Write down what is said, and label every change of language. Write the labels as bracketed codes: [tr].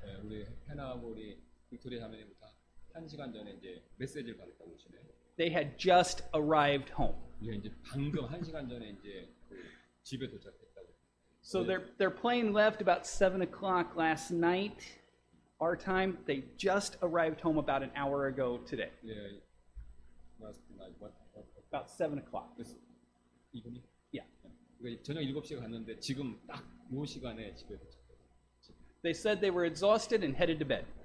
[ko] 네, 우리 해나하고 우리 빅토리아 자매님부터 한 시간 전에 이제 메시지를 받았다고 하시네요. [en] They had just arrived home. [ko] 예, 이제 방금 한 시간 전에 이제 그 집에 도착했다고. [en] So their plane left about 7 o'clock last night. Our time, they just arrived home about an hour ago today. Yeah, last night, what? About 7 o'clock. This evening? Yeah. [ko] 저녁 7시에 갔는데 지금 딱 요 시간에 집에 [en] They said they were exhausted and headed to bed.